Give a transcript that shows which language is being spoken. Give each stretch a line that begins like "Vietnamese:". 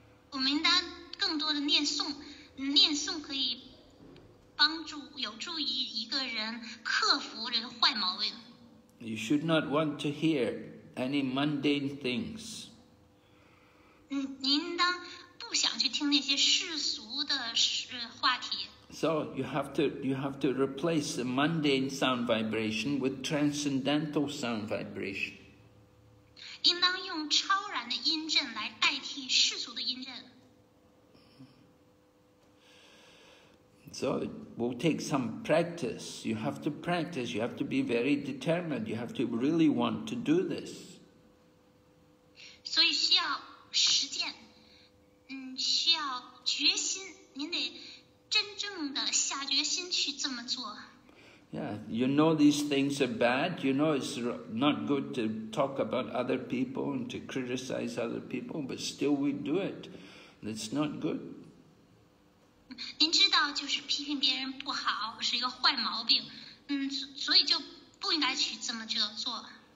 English: We
Chinese: 应当更多的念诵，念诵可以帮助有助于一个人克服这个坏毛病。
English: You should not want to hear any mundane things.
Chinese: 您应当不想去听那些世俗的话题。
English: So you have to replace the mundane sound vibration with transcendental sound vibration.
Chinese: 应当用超然的音阵来代替世俗的音阵。
English: So it will take some practice. You have to practice. You have to be very determined. You have to really want to do this.
Chinese: 所以需要实践，需要决心，您得。真正的下决心去这么做。
English: Yeah, you know these things are bad. You know it's not good to talk about other people and to criticize other people, but still we do it. That's not good.
Chinese: 您知道就是批评别人不好是一个坏毛病，所以就不应该去这么去做。